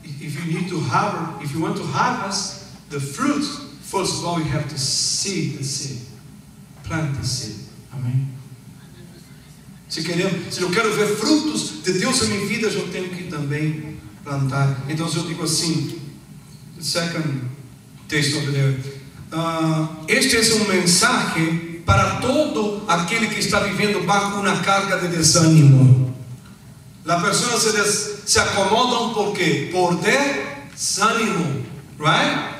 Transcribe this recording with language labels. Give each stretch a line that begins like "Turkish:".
English: If you want to harvest the fruit, first of all you have to see the seed. Plant the seed. Amén.
Portuguese: Se eu quero ver frutos de Deus em minha vida, eu tenho que também plantar. Então eu digo assim,
English: the second text over there.
Spanish: Este es un mensaje para todo aquel que está viviendo bajo una carga de desánimo. La persona se acomoda, ¿por qué? Por desánimo, right?